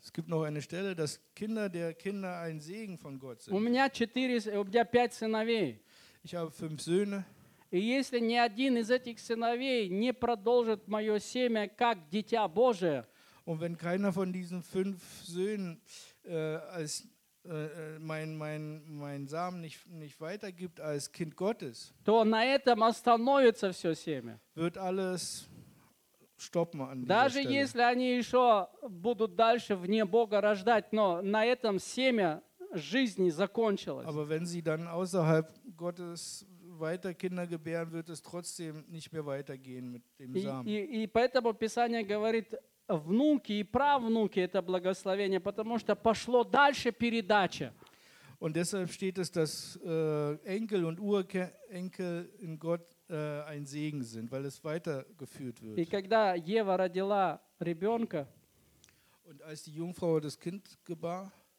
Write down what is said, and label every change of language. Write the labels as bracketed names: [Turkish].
[German] Es gibt noch eine Stelle, dass Kinder der Kinder ein Segen von Gott sind. [Russian] У меня 5 сыновей. [German] Ich habe 5 Söhne. [Russian] И если ни один из этих сыновей не продолжит мое семя как дитя Божие, [German] und wenn keiner von diesen 5 Söhnen als mein Samen nicht weitergibt als Kind Gottes, [Russian] то на этом остановится все семя. [German] Wird alles stoppen an dieser [Russian] даже [German] Stelle. [Russian] Если они еще будут дальше вне Бога рождать, но на этом семя жизни закончилось. [German] Aber wenn sie dann außerhalb Gottes weiter Kinder gebären, wird es trotzdem nicht mehr weitergehen mit dem Samen. [Russian] И поэтому Писание говорит, внуки и правнуки – это благословение, потому что пошло дальше передача. [German] Und deshalb steht es, dass Enkel und Urenkel in Gott ein Segen sind, weil es weitergeführt wird. [Russian] И когда Ева родила ребенка, [German] und als die Jungfrau das Kind gebar,